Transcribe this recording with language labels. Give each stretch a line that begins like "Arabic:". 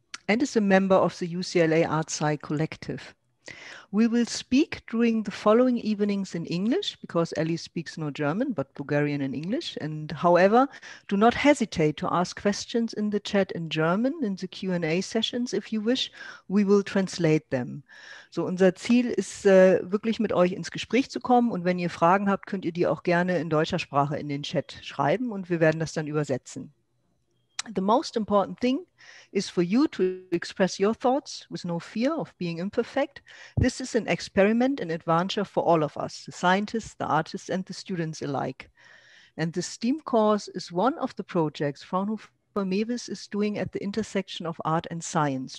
English: And is a member of the UCLA ArtSci Collective. We will speak during the following evenings in English, because Ellie speaks no German, but Bulgarian and English. And however, do not hesitate to ask questions in the chat in German in the Q&A sessions, if you wish. We will translate them.
German: So unser Ziel ist, wirklich mit euch ins Gespräch zu kommen. Und wenn ihr Fragen habt, könnt ihr die auch gerne in deutscher Sprache in den Chat schreiben. Und wir werden das dann übersetzen.
English: The most important thing is for you to express your thoughts with no fear of being imperfect. This is an experiment, an adventure for all of us, the scientists, the artists, and the students alike. And the STEAM course is one of the projects Fraunhofer MEVIS is doing at the intersection of art and science.